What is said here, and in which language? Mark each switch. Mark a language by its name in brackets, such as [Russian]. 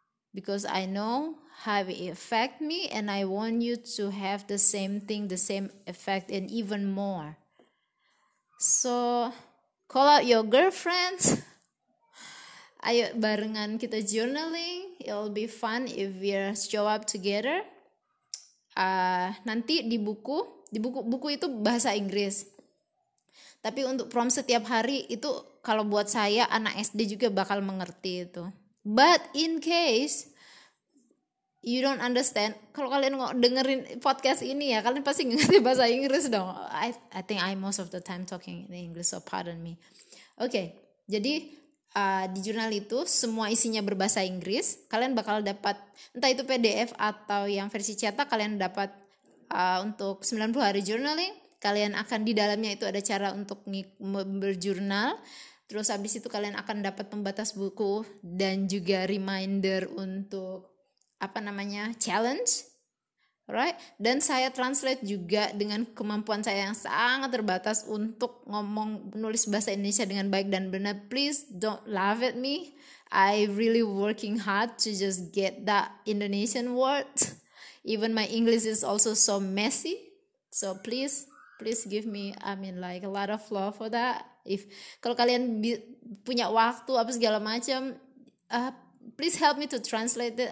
[English] Because I know how it affect me and I want you to have the same thing, the same effect and even more. So, call out your girlfriends. [Indonesian] Ayo barengan kita journaling. [English] It'll be fun if we show up together. [Indonesian] Nanti di buku itu bahasa Inggris. Tapi untuk prompt setiap hari itu kalau buat saya anak SD juga bakal mengerti itu. [English] But in case You don't understand. [Indonesian] Kalau kalian dengerin podcast ini ya, kalian pasti ngerti bahasa Inggris dong. [English] I think I most of the time talking in English, so pardon me. [Indonesian] Okay, jadi di jurnal itu semua isinya berbahasa Inggris. Kalian bakal dapat entah itu PDF atau yang versi cetak, kalian dapat untuk 90 hari journaling. Kalian akan di dalamnya itu ada cara untuk berjurnal. Terus habis itu kalian akan dapat pembatas buku dan juga reminder untuk apa namanya challenge, right? Dan saya translate juga dengan kemampuan saya yang sangat terbatas untuk ngomong nulis bahasa Indonesia dengan baik dan benar. [English] Please don't laugh at me. I really working hard to just get that Indonesian word. Even my English is also so messy. So please, please give me, I mean like a lot of love for that. If [Indonesian] kalau kalian punya waktu apa segala macam, [English] please help me to translate it.